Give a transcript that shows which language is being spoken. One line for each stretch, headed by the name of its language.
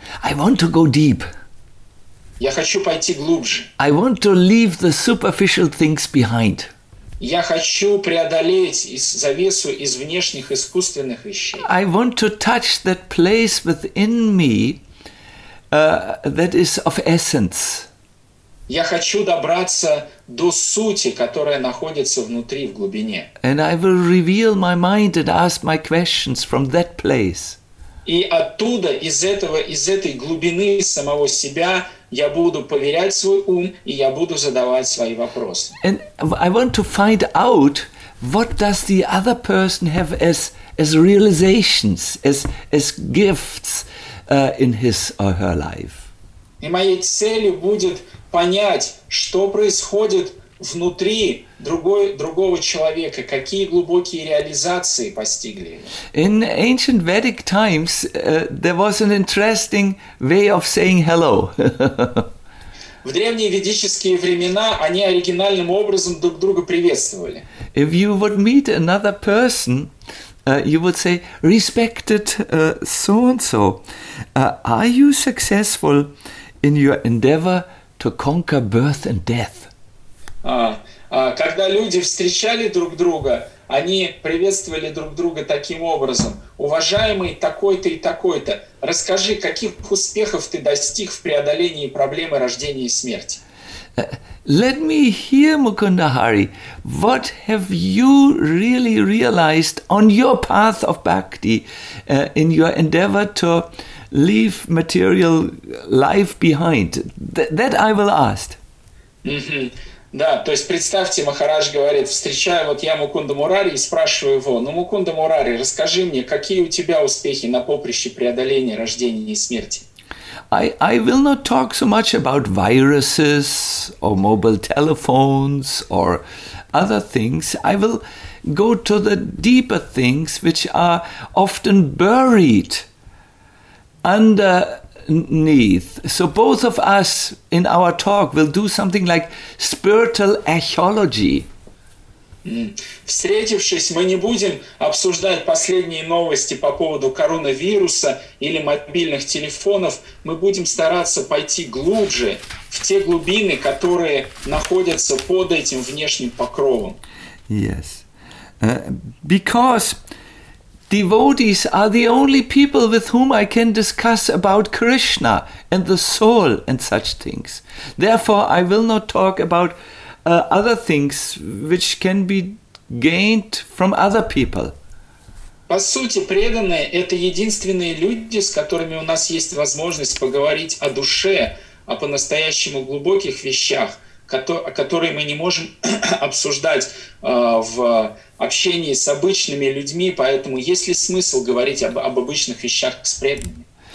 English: I want to go deep.
Russian: Я хочу пойти глубже.
English: I want to leave the superficial things behind.
Russian: Я хочу преодолеть завесу из внешних искусственных вещей.
English: I want to touch that place within me that is of essence.
Russian: Я хочу добраться до сути, которая находится внутри, в глубине.
English: And I will reveal my mind and ask my questions from that place.
Russian: И оттуда, из этой глубины самого себя, я буду поверять свой ум, и я буду задавать свои вопросы.
English: And I want to find out what does the other person have as realizations, as gifts in his or her life.
Russian: И моей целью будет понять, что происходит внутри другого человека, какие глубокие реализации постигли.
English: In ancient Vedic times, there was an interesting way of saying hello.
Russian: В древние ведические времена они оригинальным образом друг друга приветствовали.
English: If you would meet another person, you would say, respected so-and-so, are you successful in your endeavor to conquer birth and death?
Russian: Когда люди встречали друг друга, они приветствовали друг друга таким образом. Уважаемый такой-то и такой-то, расскажи, каких успехов ты достиг в преодолении проблемы рождения и смерти?
English: Let me hear, Mukunda Hari, what have you really realized on your path of bhakti, in your endeavor to leave material life behind? That I will ask. Mm-hmm.
Russian: Да, то есть представьте, Махарадж говорит, встречаю вот я Мукунда Мурари и спрашиваю его, ну, Мукунда Мурари, расскажи мне, какие у тебя успехи на поприще преодоления рождения и смерти?
English: I will not talk so much about viruses or mobile telephones or other things. I will go to the deeper things which are often buried underneath. So both of us in our talk will do something like spiritual archaeology.
Russian: Встретившись, мы не будем обсуждать последние новости по поводу коронавируса или мобильных телефонов. Мы будем стараться пойти глубже в те глубины, которые находятся под этим внешним покровом.
English: Yes. Because devotees are the only people with whom I can discuss about Krishna and the soul and such things. Therefore, I will not talk about other things which can be gained from other people.
Russian: По сути, преданные – это единственные люди, с которыми у нас есть возможность поговорить о душе, о по-настоящему глубоких вещах, которые мы не можем обсуждать в общении с обычными людьми, поэтому есть ли смысл говорить об обычных вещах с преданными?